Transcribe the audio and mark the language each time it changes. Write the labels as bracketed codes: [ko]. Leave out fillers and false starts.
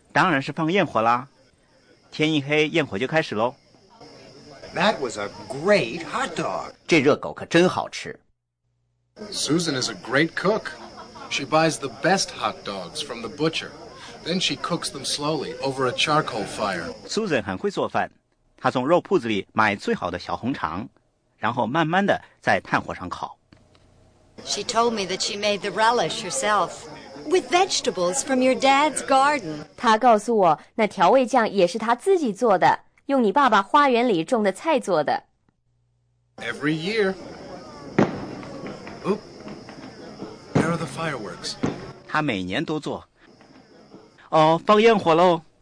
[zh] 当然是放焰火啦。天一黑，焰火就开始喽。 [en] That was a great hot dog. [zh] 这热狗可真好吃。 [en] Susan is a great cook. She buys the best hot dogs from the butcher. Then she cooks them slowly over a charcoal fire. [zh] Susan 很会做饭，她从肉铺子里买最好的小红肠，然后慢慢的在炭火上烤。 [en] She told me that she made the relish herself. With vegetables from your dad's garden. [zh] 他告诉我，那调味酱也是他自己做的，用你爸爸花园里种的菜做的。 [en] Every year. Oop. There are the fireworks. [zh] 他每年都做。哦，放焰火喽。